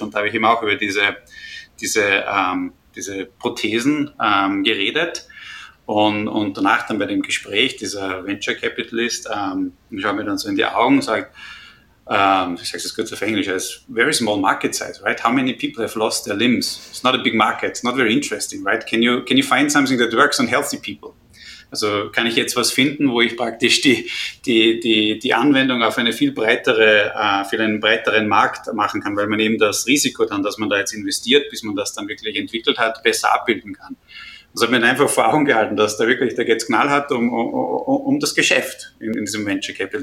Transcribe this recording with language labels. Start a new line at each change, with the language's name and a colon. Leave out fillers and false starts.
German: Und da habe ich eben auch über diese Prothesen geredet. Und danach dann bei dem Gespräch dieser Venture Capitalist, schaut mir dann so in die Augen und sagt, ich sage es kurz auf Englisch,
English: it's very small market size, right? How many people have lost their limbs? It's not a big market, it's not very interesting, right? Can you find something that works on healthy people?
German: Also kann ich jetzt was finden, wo ich praktisch die Anwendung auf eine viel breitere, für einen breiteren Markt machen kann, weil man eben das Risiko dann, dass man da jetzt investiert, bis man das dann wirklich entwickelt hat, besser abbilden kann. Das hat mir einfach vor Augen gehalten, dass da geht's knallhart um das Geschäft in diesem Venture Capital.